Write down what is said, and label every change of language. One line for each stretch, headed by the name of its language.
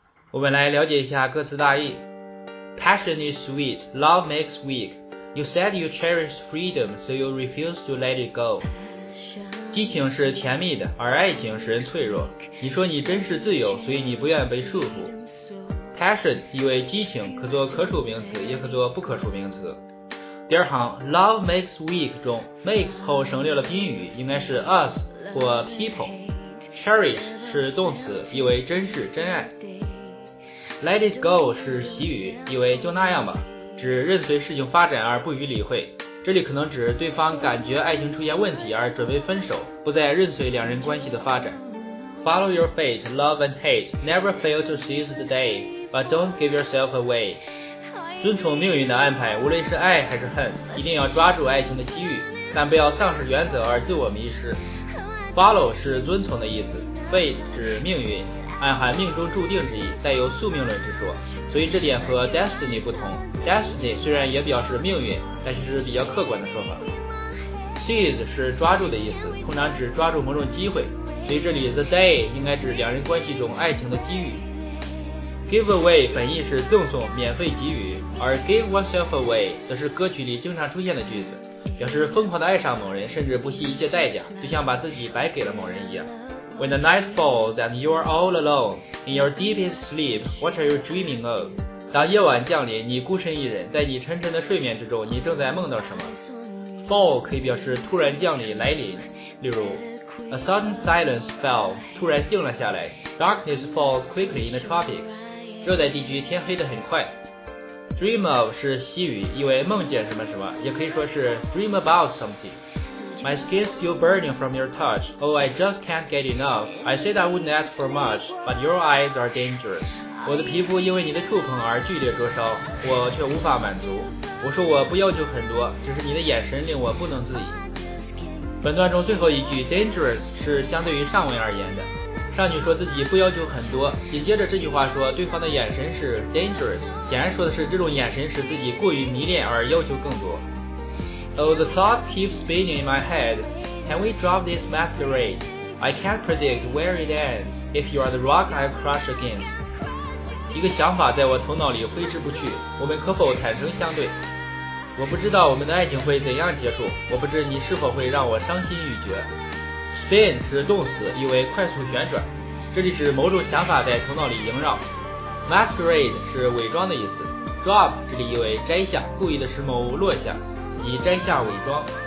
Chinese: 我们来了解一下歌词大意。
English: Passion is sweet, love makes weak. You said you cherished freedom, so you refuse to let it go.
Chinese: 激情是甜蜜的，而爱情使人脆弱。你说你珍视自由，所以你不愿被束缚。 Passion 意为激情，可做可数名词，也可做不可数名词。第二行
English: love makes weak
Chinese: 中 makes 后省略了宾语，应该是 us 或 people。 Cherish 是动词，意为珍视、真爱。
English: Let it go
Chinese: 是习语，意为就那样吧，指任随事情发展而不予理会。这里可能指对方感觉爱情出现问题而准备分手，不再任随两人关系的发展。
English: Follow your fate, love and hate. Never fail to seize the day, but don't give yourself away.
Chinese: 遵从命运的安排，无论是爱还是恨，一定要抓住爱情的机遇，但不要丧失原则而自我迷失。 Follow 是遵从的意思， fate 指命运，暗含命中注定之意，带有宿命论之说，所以这点和 destiny 不同。 destiny 虽然也表示命运，但是比较客观的说法。 seize 是抓住的意思，通常指抓住某种机会，所以这里
English: the day
Chinese: 应该指两人关系中爱情的机遇。
English: give away
Chinese: 本意是赠送、免费给予，而
English: give oneself away
Chinese: 则是歌曲里经常出现的句子，表示疯狂地爱上某人，甚至不惜一切代价，就像把自己白给了某人一样。
English: When the night falls and you are all alone, in your deepest sleep, what are you dreaming of?
Chinese: 当夜晚降临，你孤身一人，在你沉沉的睡眠之中，你正在梦到什么？ Fall 可以表示突然降临、来临，例如
English: A sudden silence fell,
Chinese: 突然静了下来。
English: Darkness falls quickly in the tropics,
Chinese: 热带地区天黑得很快。
English: Dream of
Chinese: 是西语，意为梦见什么什么，也可以说是
English: dream about something。 My skin's still burning from your touch. Oh, I just can't get enough. I said I wouldn't ask for much, but your eyes are dangerous.
Chinese: 我的皮肤因为你的触碰而剧烈灼烧，我却无法满足。我说我不要求很多，只是你的眼神令我不能自已。本段中最后一句 dangerous 是相对于上文而言的。上句说自己不要求很多，紧接着这句话说对方的眼神是 dangerous， 显然说的是这种眼神使自己过于迷恋而要求更多。
English: Oh, the thought keeps spinning in my head. Can we drop this masquerade? I can't predict where it ends. If you are the rock I crush against.
Chinese: 一个想法在我头脑里挥之不去，我们可否坦诚相对？我不知道我们的爱情会怎样结束，我不知你是否会让我伤心欲绝。 Spin 是动词，意为快速旋转，这里指某种想法在头脑里萦绕。 Masquerade 是伪装的意思， drop 这里意为摘下，故意的使某物落下，即摘下伪装。